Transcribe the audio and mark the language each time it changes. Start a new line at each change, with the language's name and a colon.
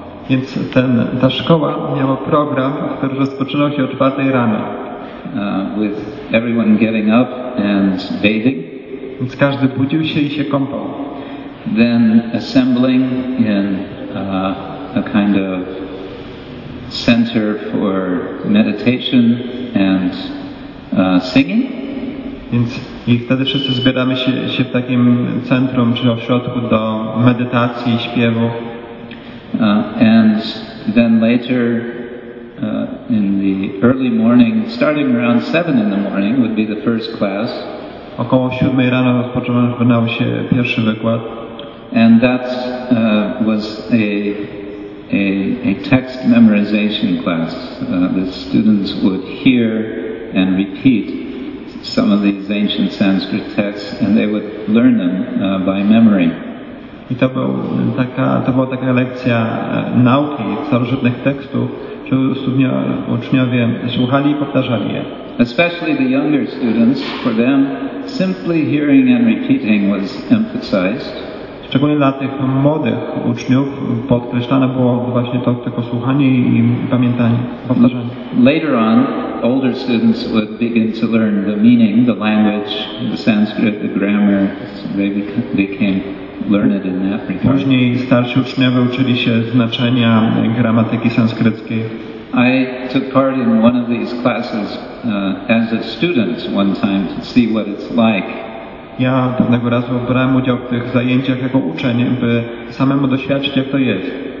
Polish: Więc ta szkoła miała program, który rozpoczynał się o 4 rano.
English: With everyone getting up and bathing.
Polish: Więc każdy budził się i się kąpał.
English: Then assembling in a kind of center for meditation and singing.
Polish: Więc i wtedy wszyscy zbieramy się w takim centrum czy ośrodku do medytacji i śpiewu.
English: And then later in the early morning, starting around 7 in the morning would be the first class.
Polish: Około 7 rano rozpoczynał się pierwszy wykład.
English: And that was a text memorization class. The students would hear and repeat some of these ancient Sanskrit texts and they would learn them by memory.
Polish: I to była taka lekcja nauki starożytnych tekstów. Uczniowie słuchali i powtarzali je.
English: Especially the younger students, for them simply hearing and repeating was emphasized.
Polish: Szczególnie dla tych młodych uczniów podkreślane było właśnie to tylko słuchanie i pamiętanie, powtarzanie.
English: Later on, older students would begin to learn the meaning, the language, the Sanskrit, the grammar. They became learned in that regard.
Polish: Później starsi uczniowie uczyli się znaczenia gramatyki sanskryckiej.
English: I took part in one of these classes as a student one time to see what it's like.
Polish: Ja pewnego razu brałem udział w tych zajęciach jako uczeń, by samemu doświadczyć, jak to jest.